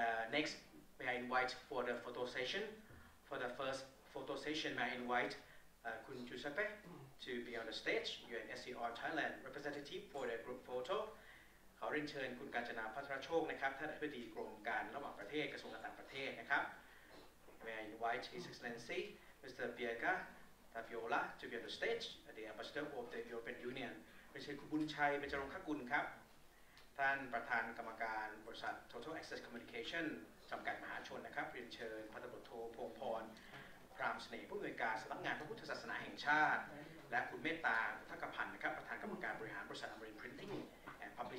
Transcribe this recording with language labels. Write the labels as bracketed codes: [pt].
[en] Next, may I invite for the photo session, for the first photo session, may I invite Khun Giuseppe to be on the stage, UN SCR Thailand representative for the group photo. [th] ขอเรียนเชิญคุณกาญจนาภัทรโชคนะครับท่านอธิบดีกรมการระหว่างประเทศกระทรวงการต่างประเทศนะครับ May I invite His Excellency Mr. [en] Pierre Taviola to be on the stage, the Ambassador of the European Union. [th] เรียนเชิญคุณบุญชัยเบญจรงคกุลครับท่านประธานกรรมการบริษัท Total Access Communication จำกัดมหาชนนะครับเรียนเชิญพันตำรวจโทพงพรพรามเสน่ห์ผู้อำนวยการสำนักงานพระพุทธศาสนาแห่งชาติและคุณเมตตาทักษพันธ์นะครับประธานกรรมการบริหารบริษัทอมรินทร์ Printing and Publishing